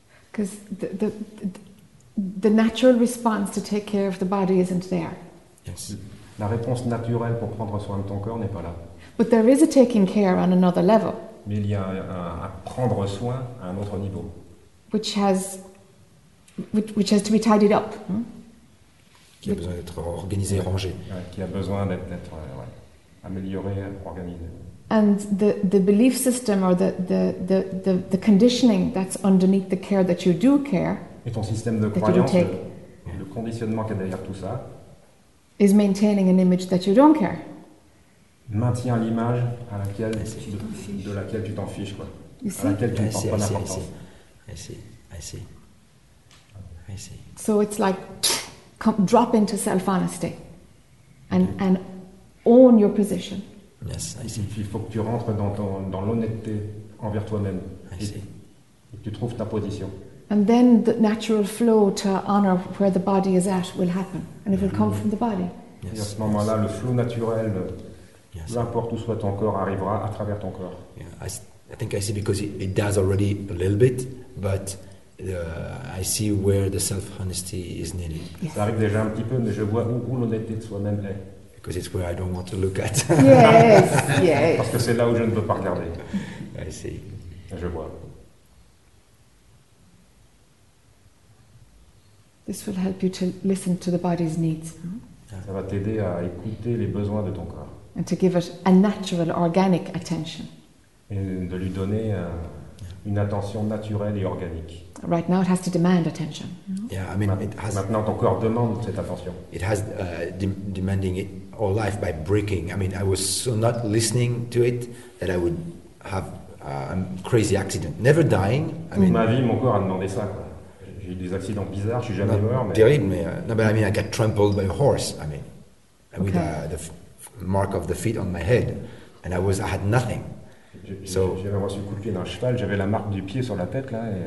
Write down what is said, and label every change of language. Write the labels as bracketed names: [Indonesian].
[English] Because the natural response to take care of the body isn't there. Yes. [French] La réponse naturelle pour prendre soin de ton corps n'est pas là. [English] But there is a taking care on another level. [French] Mais il y a un prendre soin à un autre niveau. [English] Which has to be tidied up. [French] Qui a besoin d'être organisé, rangé. Qui a besoin d'être amélioré, organisé. [English] And the belief system or the conditioning that's underneath the care that you do care. [French] Et ton système de croyance, le conditionnement qui est derrière tout ça. [English] Is maintaining an image that you don't care. [French] Maintient l'image à laquelle de laquelle tu t'en fiches quoi. [English] You see? [French] À laquelle tu ne portes pas d'importance. [English] I see. So it's like drop into self-honesty, and own your position. Yes, I see. [French] Il faut que tu rentres dans l'honnêteté envers toi-même et que tu trouves ta position. [English] And then the natural flow to honor where the body is at will happen, and it will come from the body. Yes, [French] et à ce moment-là, le flow naturel, peu importe où soit ton corps, arrivera à travers ton corps. [English] Yeah, I think I see because it does already a little bit, but I see where the self-honesty is needed. Yes. [French] Ça arrive déjà un petit peu, mais je vois où l'honnêteté de soi-même est. [English] Because it's where I don't want to look at. Yes, yes. [French] Parce que c'est là où je ne veux pas regarder. [English] I see. [French] Je vois. [English] This will help you to listen to the body's needs. [French] Ça va t'aider à écouter les besoins de ton corps. [English] And to give it a natural, organic attention. [French] Et de lui donner une attention naturelle et organique. [English] Right now, it has to demand attention. Yeah, I mean, it has. [French] Maintenant, ton corps demande cette attention. [English] It has demanding it all life by breaking. I mean, I was so not listening to it that I would have a crazy accident. Never dying. I mean, [French] ma vie, mon corps a demandé ça. J'ai eu des accidents bizarres. Je suis jamais mort. [English] Terrible, mais no, but I mean, I got trampled by a horse. I mean, with the mark of the feet on my head, and I had nothing. [French] J'avais reçu un coup de pied d'un cheval, j'avais la marque du pied sur la tête là.